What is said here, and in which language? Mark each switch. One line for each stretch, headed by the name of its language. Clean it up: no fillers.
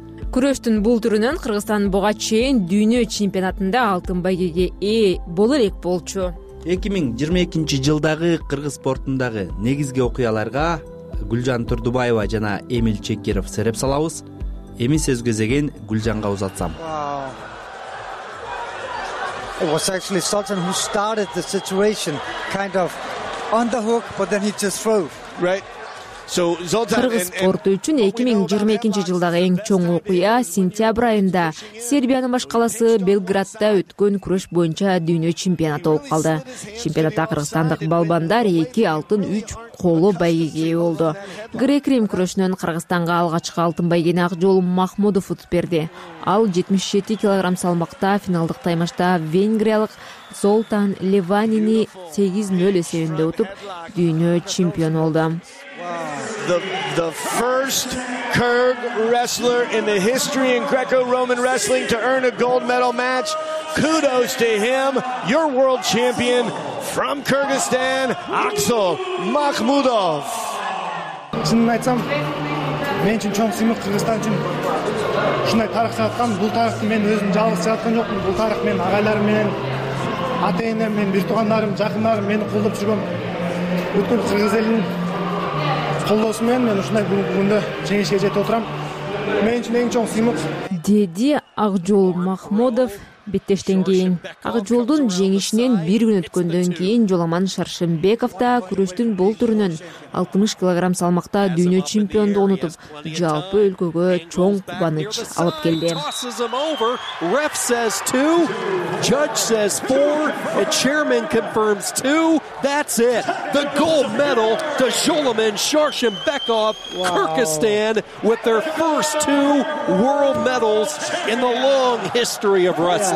Kyrgyz: Күрөштүн бул түрүнөн Кыргызстан буга чейин дүйнө чемпионатында алтын байгеге ээ боло элек болчу. 2022 жылдагы кыргыз спортундагы негизги окуяларга Гүлжан Турдубаева жана Эмил Чекеров сереп салабыз. Эми сөз кезегин Гүлжанга узатсам.
English: It was actually Sultan who started the situation, kind of on the hook, but then he just threw. Right. So Zoltan
Kyrgyz: and спорту үчүн 2022 жылдагы эң чоң окуя сентябрь айында Сербиянын баш каласы Белградда өткөн күрөш боюнча дүйнө чемпионаты болуп калды. Чемпионатта кыргызстандык балбандар 2 алтын, 3 коло байгеге ээ болду. Грек-рим күрөшүнөн Кыргызстанга алгачкы алтын байгени Акжол Махмудов утуп берди. Ал 77 кг салмакта финалдык таймашта венгриялык Zoltan Levanini 8-0 эсебинде утуп дүйнө чемпиону болду.
English: The first Kyrgyz wrestler in the history in Greco-Roman wrestling to earn a gold medal match. Kudos to him, your world champion from Kyrgyzstan, Aksol Mahmudov.
Kyrgyz: Чынын айтсам, мен үчүн чоң сыймык Кыргызстан үчүн ушундай тарых жараткан. Бул тарыхты мен өзүм жалгыз жараткан жокмун. Бул тарых менин агайларым менен, ата-энем менен, бир туугандарым, жакындарым мени колдоп жүргөн. Бүткүл кыргыз элинин колдоосу менен мен ушундай бүгүнкү күндө жеңишке жетип отурам. Мен үчүн эң чоң сыймык, деди Акжол Махмудов беттештен кийин. Акжолдун жеңишинен бир күн өткөндөн кийин Жоломан Шаршембеков да күрөштүн бул түрүнөн 60 кг салмакта дүйнө чемпиондугун утуп, жалпы өлкөгө чоң кубаныч алып келди.
English: Ref says 2, judge says 4, chairman confirms 2. That's it. The gold medal to Жоломан Шаршембеков, Кыргызстан with their first 2 world medals in the long history of Russia.